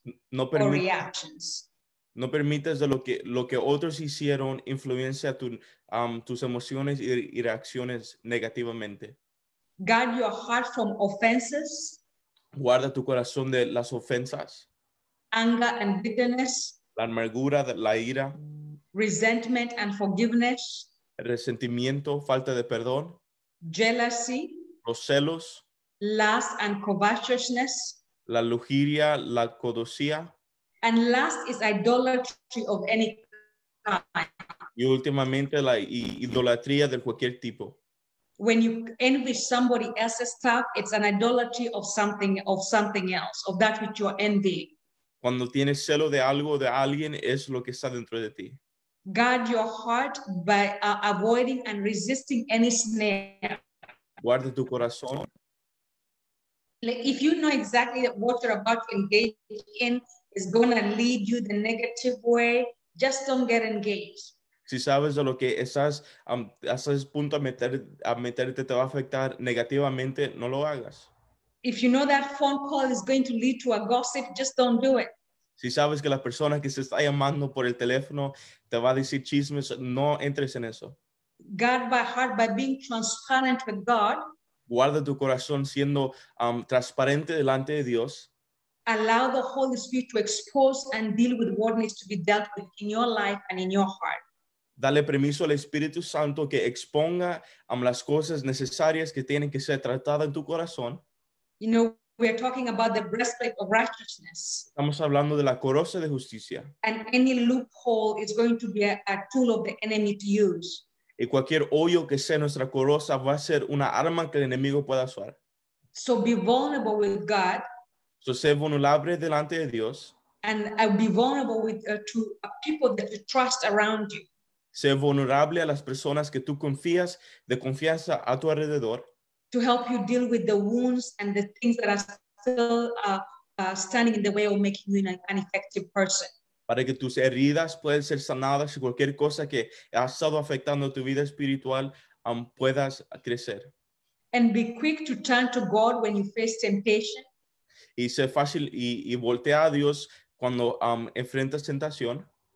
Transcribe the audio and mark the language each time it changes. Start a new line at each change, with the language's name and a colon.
English: no or reactions.
Spanish: No permites de lo que otros hicieron influencia tus emociones y reacciones negativamente.
English: Guard your heart from offenses.
Spanish: Guarda tu corazón de las ofensas.
English: Anger and bitterness.
Spanish: La amargura, la ira.
English: Resentment and forgiveness.
Spanish: Resentimiento, falta de perdón.
English: Jealousy.
Spanish: Los celos.
English: Lust and covetousness.
Spanish: La lujuria, la codicia.
English: And lust is idolatry of any kind.
Spanish: Y últimamente la idolatría de cualquier tipo.
English: When you envy somebody else's stuff, it's an idolatry of something else, of that which you're envying.
Spanish: Cuando tienes celo de algo o de alguien, es lo que está dentro de ti.
English: Guard your heart by avoiding and resisting any snare.
Spanish: Guarda tu corazón.
English: If you know exactly what you're about to engage in, it's going to lead you the negative way, just don't get engaged.
Spanish: Si sabes de lo que estás estás a punto a meterte, te va a afectar negativamente, no lo hagas.
English: If you know that phone call is going to lead to a gossip, just don't do it.
Spanish: Si sabes que la persona que se está llamando por el teléfono te va a decir chismes, no entres en eso.
English: Guard by heart by being transparent with God.
Spanish: Guarda tu corazón siendo transparente delante de Dios.
English: Allow the Holy Spirit to expose and deal with what needs to be dealt with in your life and in your heart.
Spanish: Dale permiso al Espíritu Santo que exponga las cosas necesarias que tienen que ser tratadas en tu corazón.
English: You know, we are talking about the breastplate of righteousness.
Spanish: Estamos hablando de la coraza de justicia.
English: And any loophole is going to be a tool of the enemy to use.
Spanish: Y cualquier hoyo que sea nuestra coraza va a ser una arma que el enemigo pueda usar.
English: So be vulnerable with God.
Spanish: So sé vulnerable delante de Dios.
English: And be vulnerable with to people that you trust around you.
Spanish: Sé vulnerable a las personas que tú confías, de confianza a tu alrededor.
English: To help you deal with the wounds and the things that are still standing in the way of making you an effective person.
Spanish: Para que tus heridas puedan ser sanadas y cualquier cosa que ha estado afectando tu vida espiritual puedas crecer.
English: And be quick to turn to God when you face temptation.
Spanish: Y ser fácil y voltear a Dios cuando enfrentas tentación.